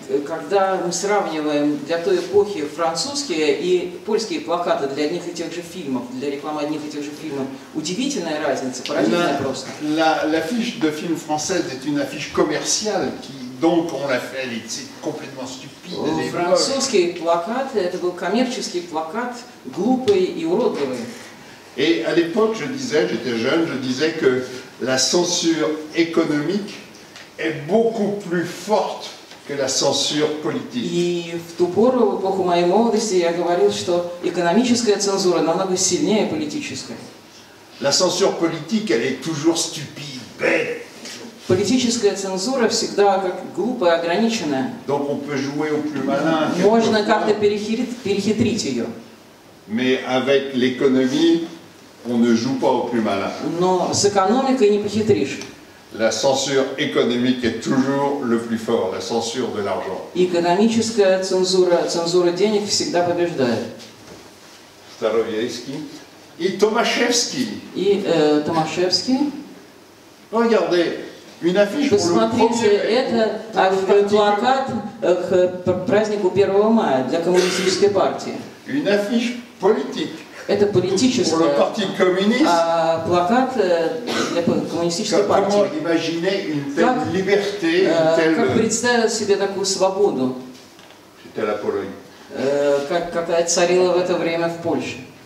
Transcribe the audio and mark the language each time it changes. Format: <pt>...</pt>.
<ru>Когда мы сравниваем для той эпохи французские и польские плакаты для одних и тех же фильмов, для рекламы одних и тех же фильмов, удивительная разница, поразительная просто.</ru> <fr>L'affiche de film française est une affiche commerciale qui donc on l'a fait, elle est complètement stupide.</fr> <ru>Французские плакаты, это был коммерческий плакат, глупый и уродливый.</ru> <fr>Et à l'époque, je disais, j'étais jeune, je disais que la censure économique est beaucoup plus forte que la censure politique.</fr> <ru>И в ту пору, в эпоху моей молодости, я говорил, что экономическая цензура намного сильнее политической.</ru> <fr>La censure politique, elle est toujours stupide, bête.</fr> <ru>Политическая цензура всегда как глупая, ограниченная.</ru> <fr>Donc on peut jouer au plus malin.</fr> <ru>Можно как-то перехитрить ее.</ru> <fr>Mais avec l'économie, on ne joue pas au plus malin.</fr> <ru>Но с экономикой не похитришь.</ru> <fr>La censure économique est toujours le plus fort, la censure de l'argent.</fr> <ru>Экономическая цензура, цензура денег всегда побеждает. Staroyevski. И Tomaszewski. И Tomaszewski.</ru> <fr>Regardez, une affiche pour le</fr> <ru>1er мая. К празднику 1 мая для коммунистической партии.</ru> <fr>Une affiche politique.</fr> <ru>Это политический плакат для коммунистической партии. Как представить себе такую свободу, какая царила в это время в Польше?</ru>